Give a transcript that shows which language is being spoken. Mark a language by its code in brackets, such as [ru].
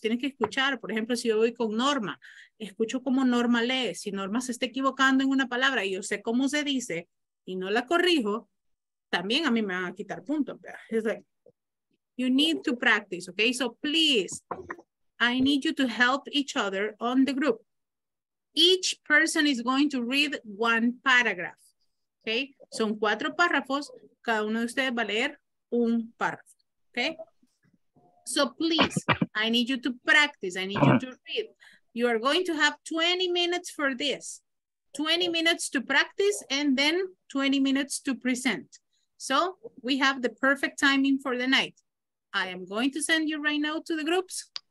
[es] Tienen que escuchar, por ejemplo, si yo voy con Norma, escucho cómo Norma lee. Si Norma se está equivocando en una palabra y yo sé cómo se dice y no la corrijo, también a mí me van a quitar puntos. [en] It's like, you need to practice, okay? So please, I need you to help each other on the group. Each person is going to read one paragraph, okay? [es] Son cuatro párrafos, cada uno de ustedes va a leer un párrafo, okay? [en] So please, I need you to practice, I need you to read. You are going to have 20 minutes for this. 20 minutes to practice and then 20 minutes to present. So we have the perfect timing for the night. I am going to send you right now to the groups.